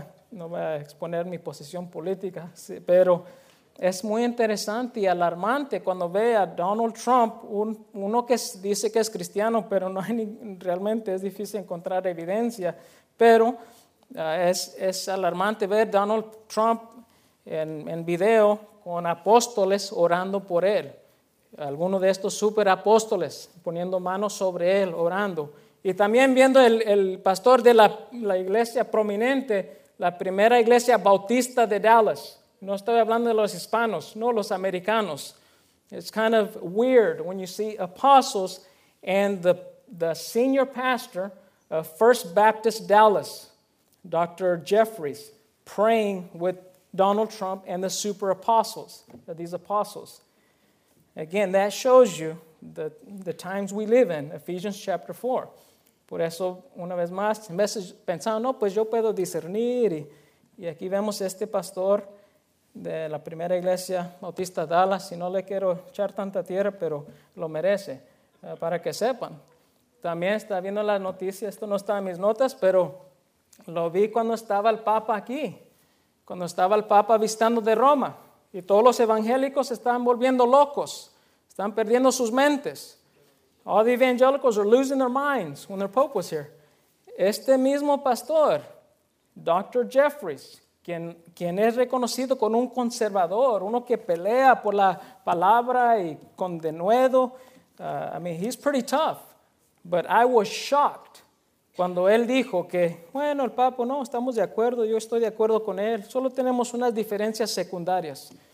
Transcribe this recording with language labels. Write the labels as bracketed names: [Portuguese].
[Spanish] No voy a exponer mi posición política, sí, pero es muy interesante y alarmante cuando ve a Donald Trump, uno que dice que es cristiano, pero no hay ni, realmente es difícil encontrar evidencia, pero es alarmante ver Donald Trump en video con apóstoles orando por él. Alguno de estos superapóstoles poniendo manos sobre él, orando. Y también viendo el pastor de la iglesia prominente, la primera iglesia bautista de Dallas. No estoy hablando de los hispanos, no los americanos. [English] It's kind of weird when you see apostles and the senior pastor of First Baptist Dallas, Dr. Jeffries, praying with Donald Trump and the super apostles, these apostles. Again, that shows you the times we live in, Ephesians chapter 4. [Spanish] Por eso, una vez más, en vez de pensar, no, pues yo puedo discernir. Y aquí vemos este pastor de la primera iglesia bautista Dallas, y no le quiero echar tanta tierra, pero lo merece, para que sepan. También está viendo las noticias, esto no está en mis notas, pero lo vi cuando estaba el Papa aquí, cuando estaba el Papa visitando de Roma, y todos los evangélicos estaban volviendo locos, están perdiendo sus mentes. [English] All the evangelicals are losing their minds when their Pope was here. [Spanish] Este mismo pastor, Dr. Jeffries, quien es reconocido como un conservador, uno que pelea por la palabra y con denuedo. [English] He's pretty tough. But I was shocked [Spanish] cuando él dijo que, bueno, el Papa, no, estamos de acuerdo, yo estoy de acuerdo con él, solo tenemos unas diferencias secundarias.